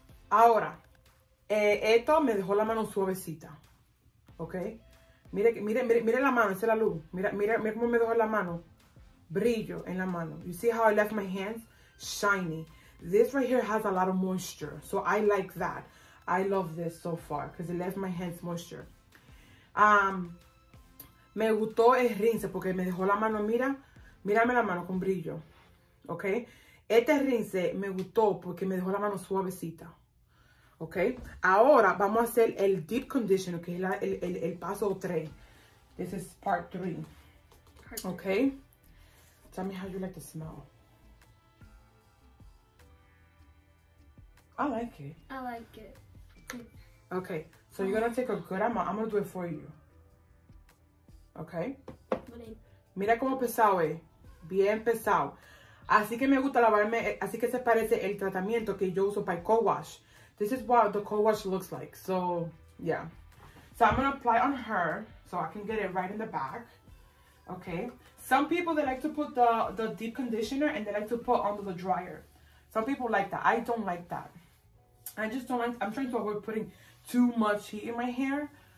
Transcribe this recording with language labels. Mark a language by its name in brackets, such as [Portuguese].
[Spanish] Ahora, esto me dejó la mano suavecita, ok? Mire la mano, esa es la luz. Mira cómo me dejó la mano. brillo en la mano. [English] You see how I left my hands shiny? This right here has a lot of moisture, so I like that. I love this so far because it left my hands moisture. [Spanish] Me gustó el rinse porque me dejó la mano, mira, mírame la mano con brillo, okay? Este rinse me gustó porque me dejó la mano suavecita, okay? Ahora vamos a hacer el deep conditioner, que es el paso 3. [English] This is part 3, okay? Tell me how you like the smell. I like it. I like it. Okay, so you're gonna take a good amount. I'm gonna do it for you. Okay? [Spanish] Mira cómo pesado es. Bien pesado. Así que me gusta lavarme. Así que se parece el tratamiento que yo uso para el co-wash. [English] This is what the co-wash looks like. So, yeah. So I'm gonna apply on her so I can get it right in the back. Okay? Some people, they like to put the deep conditioner and they like to put under the dryer. Some people like that. I don't like that. I just don't like, I'm trying to avoid putting too much heat in my hair.